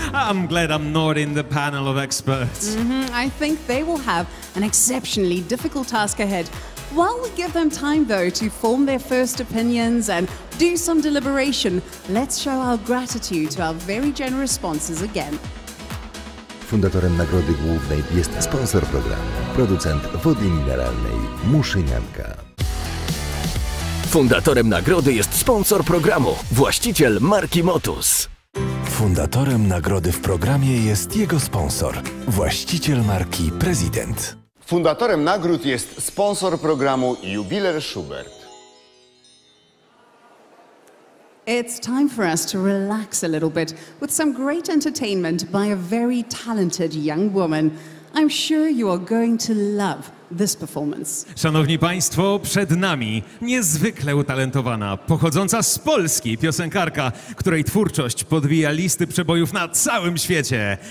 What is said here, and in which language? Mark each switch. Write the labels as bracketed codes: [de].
[en] I'm glad I'm not in the panel of experts. I think they will have an exceptionally difficult task ahead. While we give them time, though, to form their first opinions and do some deliberation, let's show our gratitude to our very generous sponsors again. [pl] Fundatorem Nagrody Głównej jest sponsor programu, producent wody mineralnej Muszynianka. Fundatorem nagrody jest sponsor programu, właściciel marki Motus. Fundatorem nagrody w programie jest jego sponsor, właściciel marki Prezydent. Fundatorem nagród jest sponsor programu Jubiler Schubert. [en] It's time for us to relax a little bit with some great entertainment by a very talented young woman. I'm sure you are going to love this performance. [pl] Szanowni Państwo, przed nami niezwykle utalentowana, pochodząca z Polski piosenkarka, której twórczość podbija listy przebojów na całym świecie.